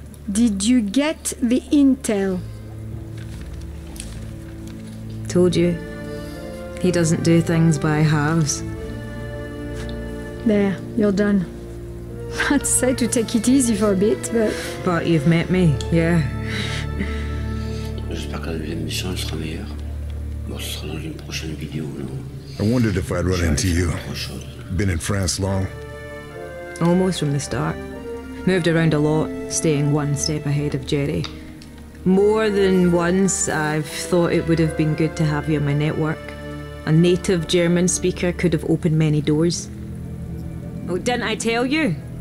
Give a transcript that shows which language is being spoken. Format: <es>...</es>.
<en>Did you get the intel? Told you. He doesn't do things by halves. There, you're done. I'd say to take it easy for a bit, but... But you've met me, yeah.</en> <fr>J'espère que la deuxième mission sera meilleure. Bon, ce sera dans une prochaine vidéo, non?</fr> <en>I wondered if I'd run into you. Been in France long? Almost from the start. Moved around a lot, staying one step ahead of Jerry. More than once, I've thought it would have been good to have you in my network. A native German speaker could have opened many doors. Oh, didn't I tell you?</en>